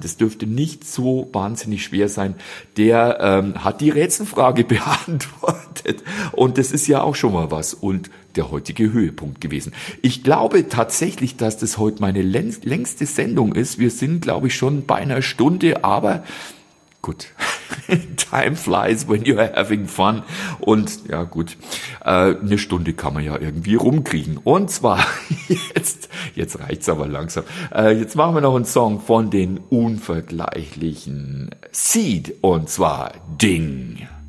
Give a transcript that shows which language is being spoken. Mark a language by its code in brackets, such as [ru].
[de] Das dürfte nicht so wahnsinnig schwer sein. Der hat die Rätselfrage beantwortet. gestartet. Und das ist ja auch schon mal was und der heutige Höhepunkt gewesen. Ich glaube tatsächlich, dass das heute meine längste Sendung ist. Wir sind, glaube ich, schon bei einer Stunde, aber gut. [en] Time flies when you're having fun. [de] Und ja gut, eine Stunde kann man ja irgendwie rumkriegen. Und zwar, jetzt reicht's aber langsam. Jetzt machen wir noch einen Song von den unvergleichlichen Seed. Und zwar Ding.